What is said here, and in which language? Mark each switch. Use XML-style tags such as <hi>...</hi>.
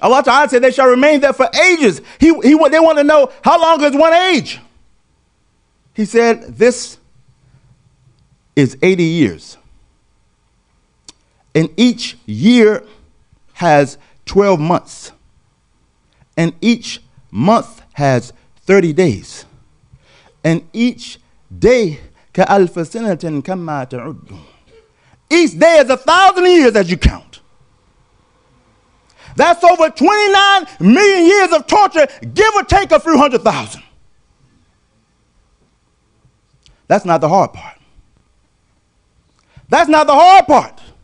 <en>Allah Ta'ala said, they shall remain there for ages. They want to know, how long is one age? He said, this is 80 years. And each year has 12 months. And each month has 30 days. And each day,</en> <ar>كَأَلْفَ سِنَةٍ كَمَّا تَعُدُّ.</ar> <en>Each day is 1,000 years as you count. That's over 29 million years of torture, give or take a few 100,000. That's not the hard part. That's not the hard part.</en>